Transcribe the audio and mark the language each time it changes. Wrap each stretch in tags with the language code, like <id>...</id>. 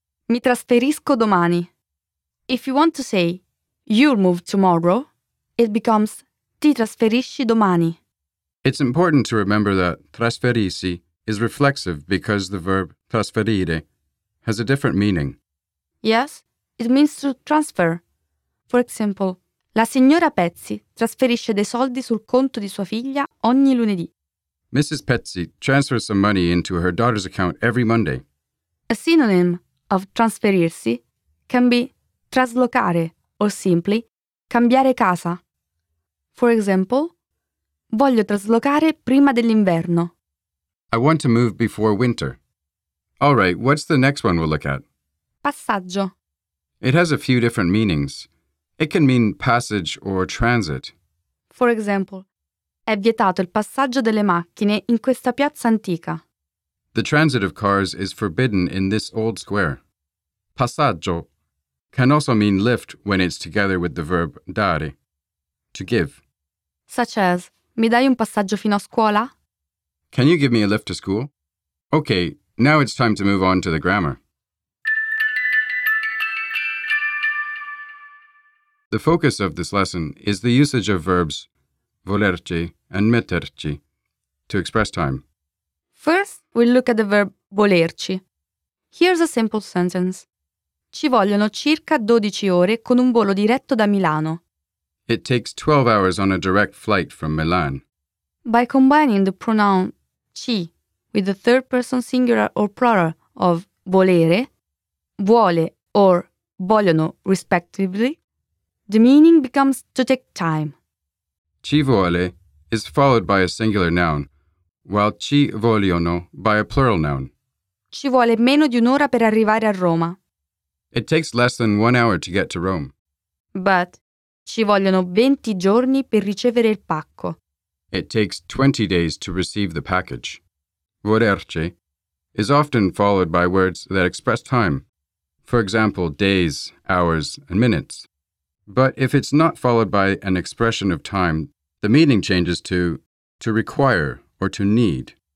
<it>mi trasferisco domani.</it> <en>If you want to say, you'll move tomorrow, it becomes</en> <it>ti trasferisci domani.</it> <en>It's important to remember that trasferisi is reflexive because the verb trasferire has a different meaning. Yes, it means to transfer. For example,</en> <it>la signora Pezzi trasferisce dei soldi sul conto di sua figlia ogni lunedì.</it> <en>Mrs. Pezzi transfers some money into her daughter's account every Monday. A synonym of trasferirsi can be traslocare or simply cambiare casa. For example,</en> <it>voglio traslocare prima dell'inverno.</it> <en>I want to move before winter. All right, what's the next one we'll look at?</en> <it>Passaggio.</it> <en>It has a few different meanings. It can mean passage or transit. For example,</en> <it>è vietato il passaggio delle macchine in questa piazza antica.</it> <en>The transit of cars is forbidden in this old square. Passaggio can also mean lift when it's together with the verb dare, to give. Such as,</en> <it>mi dai un passaggio fino a scuola?</it> <en>Can you give me a lift to school? Okay, now it's time to move on to the grammar. The focus of this lesson is the usage of verbs volerci and metterci to express time. First, we'll look at the verb volerci. Here's a simple sentence.</en> <it>Ci vogliono circa 12 ore con un volo diretto da Milano.</it> <en>It takes 12 hours on a direct flight from Milan. By combining the pronoun ci with the third person singular or plural of volere, vuole or vogliono respectively, the meaning becomes to take time. Ci vuole is followed by a singular noun, while ci vogliono by a plural noun.</en> <it>Ci vuole meno di un'ora per arrivare a Roma.</it> <en>It takes less than 1 hour to get to Rome. But</en> <it>ci vogliono 20 giorni per ricevere il pacco.</it> <en>It takes 20 days to receive the package. Volerci is often followed by words that express time. For example, days, hours, and minutes. But if it's not followed by an expression of time, the meaning changes to require or to need.</en>